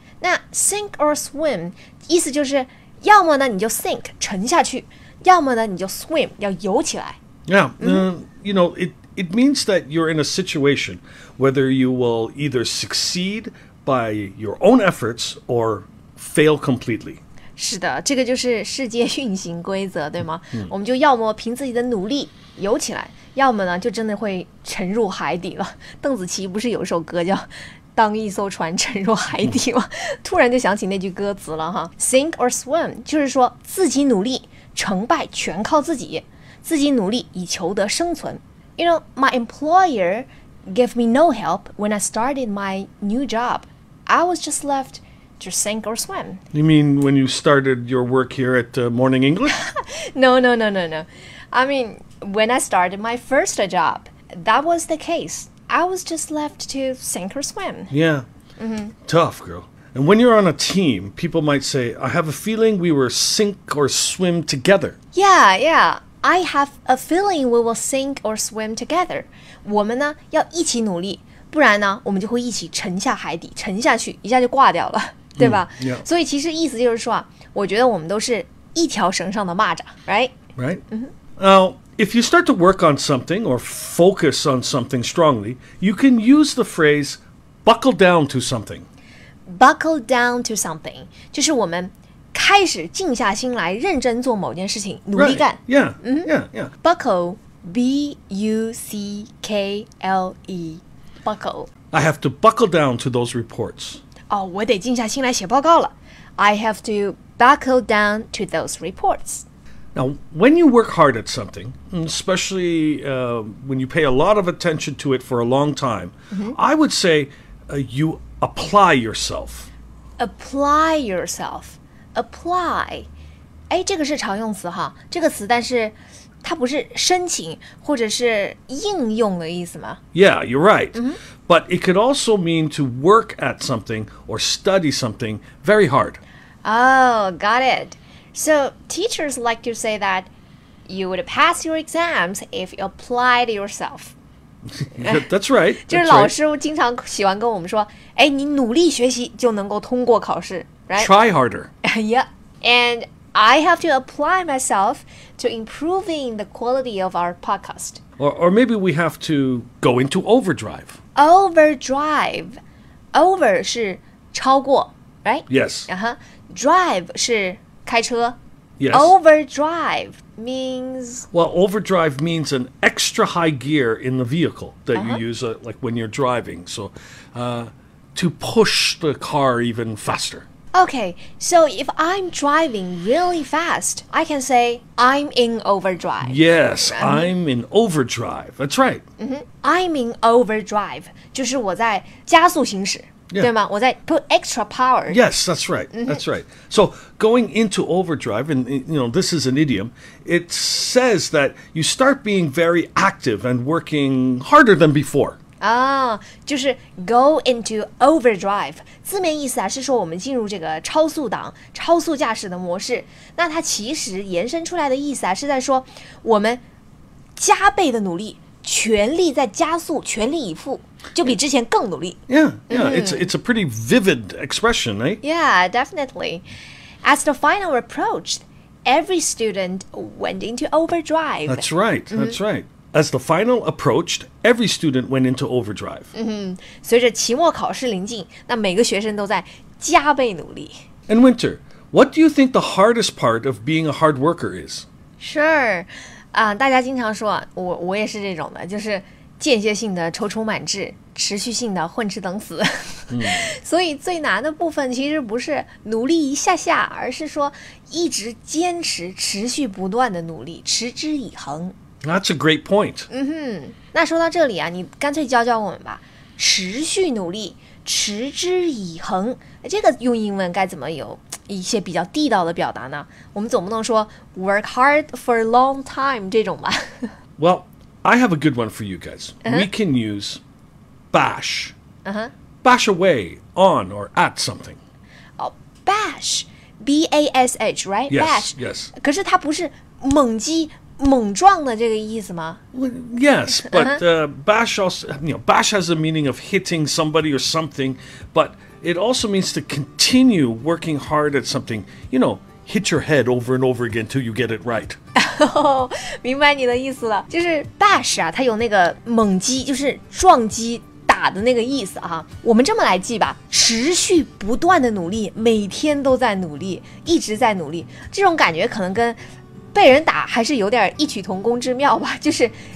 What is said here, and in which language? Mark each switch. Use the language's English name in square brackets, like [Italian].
[Chinese] 那 sink or swim 意思就是，要么呢你就 sink 沉下去。要么呢你就 swim, 要游起来。 [English] Yeah,、mm-hmm. You know, it means that you're in a situation whether you will either succeed by your own efforts or fail completely. [Chinese] 是的，这个就是世界运行规则，对吗、mm-hmm. 我们就要么凭自己的努力游起来，要么呢就真的会沉入海底了。邓紫棋不是有一首歌叫当一艘船沉入海底吗、mm-hmm. 突然就想起那句歌词了哈。 Sink or swim, 就是说自己努力。成败全靠自己，自己努力以求得生存。 [English] You know, my employer gave me no help when I started my new job. I was just left to sink or swim. You mean when you started your work here at、Morning English? No. I mean, when I started my first job, that was the case. I was just left to sink or swim. Yeah.、Mm-hmm. Tough, girl. And when you're on a team, people might say, I have a feeling we will sink or swim together. Yeah. I have a feeling we will sink or swim together. [Chinese] 我们呢要一起努力，不然呢我们就会一起沉下海底，沉下去，一下就挂掉了，对吧？ [English] Mm, yeah. [Chinese] 所以其实意思就是说，我觉得我们都是一条绳上的蚂蚱， [English] right? Right. Mm-hmm. Now, if you start to work on something or focus on something strongly, you can use the phrase, buckle down to something. Buckle down to something, [Chinese] 就是我们开始静下心来认真做某件事情，努力干。 [English] Right. Yeah. Mm-hmm. Yeah. Buckle, B-U-C-K-L-E, buckle. I have to buckle down to those reports. [Chinese] 哦，我得静下心来写报告了。 [English] I have to buckle down to those reports. Now, when you work hard at something, especially、when you pay a lot of attention to it for a long time,、mm-hmm. I would say、you... Apply yourself. Apply yourself. Apply. [Chinese] 哎，这个是常用词哈，这个词，但是它不是申请或者是应用的意思吗？ [English] Yeah, you're right.、Mm-hmm. But it could also mean to work at something or study something very hard. Oh, got it. So teachers like to say that you would pass your exams if you applied yourself. That's right. [Chinese] 就是老师经常喜欢跟我们说，哎，你努力学习就能够通过考试 ， [English] right? Try harder. Yeah. And I have to apply myself to improving the quality of our podcast. Or maybe we have to go into overdrive. [Chinese] Overdrive. Over 是超过 [English] right? Yes. [Chinese] Drive 是开车 [English] Yes. Overdrive means... Well, overdrive means an extra high gear in the vehicle that you use like when you're driving. So, to push the car even faster. Okay, so if I'm driving really fast, I can say I'm in overdrive. Yes, I'm in overdrive. That's right. I'm in overdrive. [Chinese] 就是我在加速行驶。 [English] Yeah. [Chinese] 对吗？我在 [English] put extra power. Yes, that's right. That's right. So going into overdrive, and you know, this is an idiom. It says that you start being very active and working harder than before. [Chinese] 啊、oh, ，就是 go into overdrive. 字面意思啊，是说我们进入这个超速档、超速驾驶的模式。那它其实延伸出来的意思啊，是在说我们加倍的努力。全力在加速，全力以赴，就比之前更努力。 [English] It's a pretty vivid expression, right? Yeah, definitely. As the final approached, every student went into overdrive. That's right, that's right. As the final approached, every student went into overdrive. [Chinese] 随着期末考试临近，那每个学生都在加倍努力。 [English] And Winter, what do you think the hardest part of being a hard worker is? Sure. [Chinese] 大家经常说我也是这种的，就是间歇性的踌躇满志，持续性的混吃等死。所以最难的部分其实不是努力一下下，而是说一直坚持，持续不断的努力，持之以恒。 [English] That's a great point. [Chinese] 那说到这里啊，你干脆教教我们吧，持续努力，持之以恒，这个用英文该怎么有？一些比较地道的表达呢，我们总不能说 [English] work hard for a long time [Chinese] 这种吧。 [English] Well, I have a good one for you guys. We can use bash. Bash away on or at something. Oh, bash, B-A-S-H, right? Yes, bash. Yes. [Chinese] 可是它不是猛击、猛撞的这个意思吗？ [English] Well, yes, but bash also, you know, bash has a meaning of hitting somebody or something, but. It also means to continue working hard at something. You know, hit your head over and over again till you get it right. [Chinese] Oh, 明白你的意思了。就是 bash 啊，它有那个猛击，就是撞击打的那个意思啊。我们这么来记吧，持续不断的努力，每天都在努力，一直在努力。这种感觉可能跟被人打还是有点异曲同工之妙吧，就是。